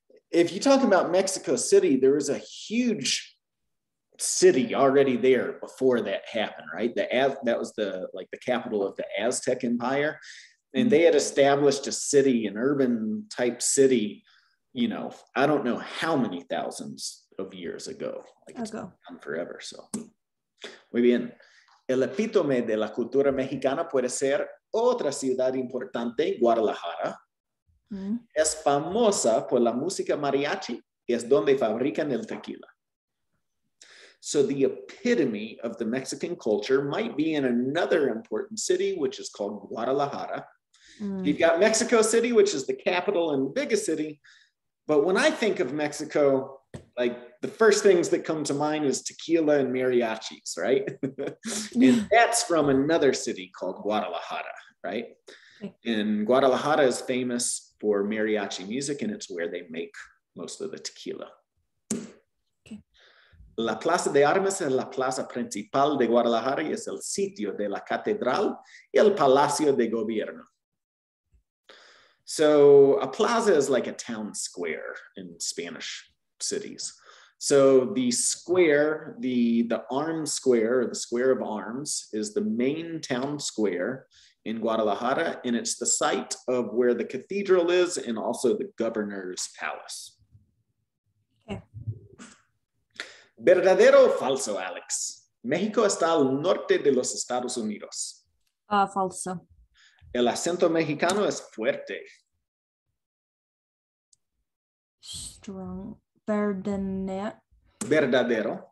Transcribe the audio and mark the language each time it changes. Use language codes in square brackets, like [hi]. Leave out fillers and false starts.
[en] If you talk about Mexico City, there was a huge city already there before that happened, right? That was the like the capital of the Aztec Empire. And they had established a city, an urban type city, you know, I don't know how many thousands of years ago. Like it's gone forever. So [es] muy bien. El epítome de la cultura mexicana puede ser otra ciudad importante, Guadalajara. Mm-hmm. Es famosa por la música mariachi y es donde fabrican el tequila. [en] So the epitome of the Mexican culture might be in another important city, which is called Guadalajara. Mm-hmm. You've got Mexico City, which is the capital and the biggest city. But when I think of Mexico, like the first things that come to mind is tequila and mariachis, right? And that's from another city called Guadalajara, right? Okay. And Guadalajara is famous for mariachi music, and it's where they make most of the tequila. Okay. [es] La Plaza de Armas es la plaza principal de Guadalajara y es el sitio de la catedral y el palacio de gobierno. [en] So a plaza is like a town square in Spanish cities. So the square, the arm square, or the square of arms, is the main town square in Guadalajara, and it's the site of where the cathedral is and also the governor's palace. Okay. [es] ¿Verdadero o falso, Alex? México está al norte de los Estados Unidos. Falso. El acento mexicano es fuerte. [en] Strong. [es] Verdadero.